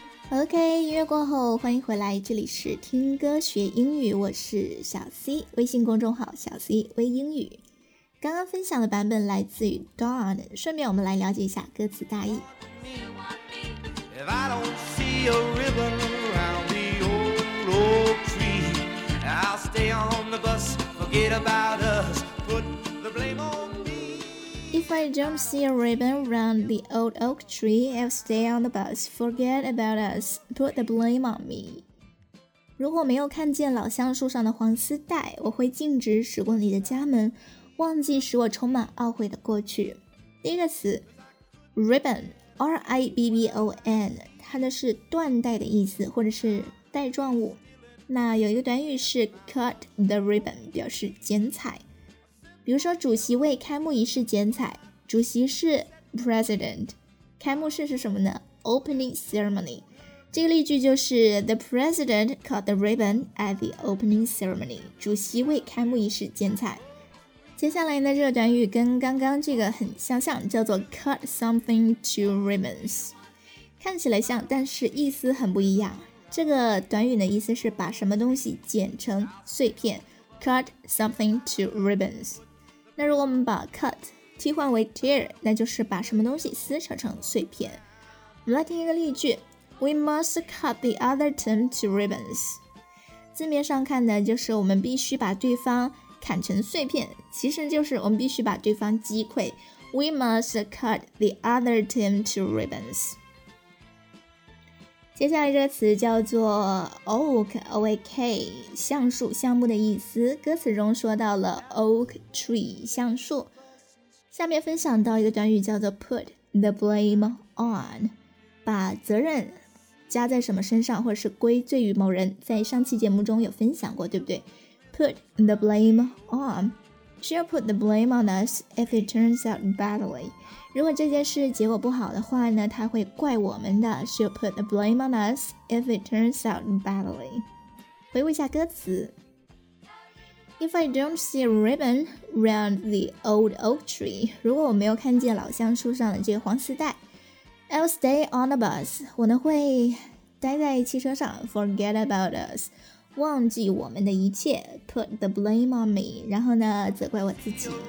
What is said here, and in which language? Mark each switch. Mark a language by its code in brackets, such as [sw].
[zh] OK， 音乐过后欢迎回来，这里是听歌学英语，我是小 C， 微信公众号小 C 微英语。刚刚分享的版本来自于 Dawn， 顺便我们来了解一下歌词大意。 [en] If I don't see a ribbon around the old oak tree, I'll stay on the bus, forget about us, put the blame on me. If I don't see a ribbon around the old oak tree, I'll stay on the bus, forget about us, put the blame on me. [zh] 如果没有看见老橡树上的黄丝带，我会径直驶过你的家门，忘记使我充满懊悔的过去。第一个词 ribbon。R-I-B-B-O-N， 它的是缎带的意思，或者是带状物。那有一个短语是 [en] cut the ribbon， [zh] 表示剪彩。比如说主席为开幕仪式剪彩，主席是 president， 开幕式是什么呢？ [en] opening ceremony。这个例句就是 the president cut the ribbon at the opening ceremony， [zh] 主席为开幕仪式剪彩。接下来的这个短语跟刚刚这个很相像，叫做 [en] cut something to ribbons， [zh] 看起来像，但是意思很不一样。这个短语的意思是把什么东西剪成碎片， [en] cut something to ribbons。 [zh] 那如果我们把 cut 替换为 tear， 那就是把什么东西撕扯成碎片。我们来听一个例句， [en] We must cut the other team to ribbons， [zh] 字面上看的就是我们必须把对方砍成碎片，其实就是我们必须把对方击溃。 [en] We must cut the other team to ribbons。 [zh] 接下来这个词叫做 oak， O-A-K， 橡树橡木的意思。歌词中说到了 oak tree， 橡树。下面分享到一个短语叫做 [en] put the blame on， [zh] 把责任加在什么身上，或者是归罪于某人，在上期节目中有分享过，对不对？ [en] Put the blame on. She'll put the blame on us if it turns out badly. [zh] 如果这件事结果不好的话呢，她会怪我们的。 [en] She'll put the blame on us if it turns out badly. [zh] 回顾一下歌词。 [en] If I don't see a ribbon round the old oak tree, [zh] 如果我没有看见老橡树上的这个黄丝带， [en] I'll stay on the bus. [zh] 我呢会待在汽车上， [en] forget about us. [zh] 忘记我们的一切， [en] put the blame on me， [zh] 然后呢责怪我自己。